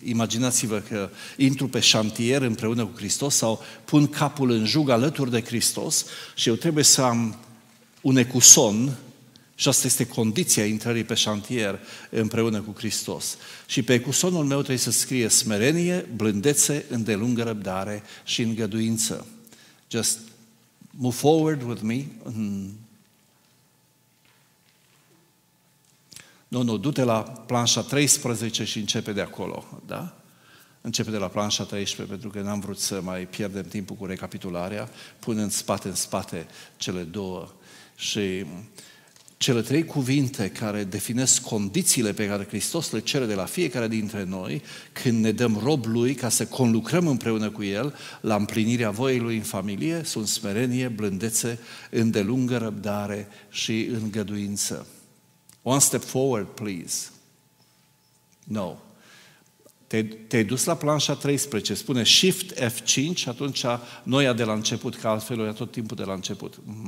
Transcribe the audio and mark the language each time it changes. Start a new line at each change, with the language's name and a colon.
Romanian: Imaginați-vă că intru pe șantier împreună cu Hristos sau pun capul în jug alături de Hristos și eu trebuie să am un ecuson. Și asta este condiția intrării pe șantier împreună cu Hristos. Și pe ecusonul meu trebuie să scrie smerenie, blândețe, îndelungă răbdare și îngăduință.
English: Just move forward with me.
Romanian: Nu, du-te la planșa 13 și începe de acolo, da? Începe de la planșa 13, pentru că n-am vrut să mai pierdem timpul cu recapitularea, punând spate în spate cele două. Și cele trei cuvinte care definesc condițiile pe care Hristos le cere de la fiecare dintre noi când ne dăm rob Lui ca să conlucrăm împreună cu El la împlinirea voiei Lui în familie sunt smerenie, blândețe, îndelungă răbdare și îngăduință.
English: One step forward, please. No.
Romanian: Te-ai dus la planșa 13, spune Shift F5, atunci noi de la început, că altfel o ia tot timpul de la început.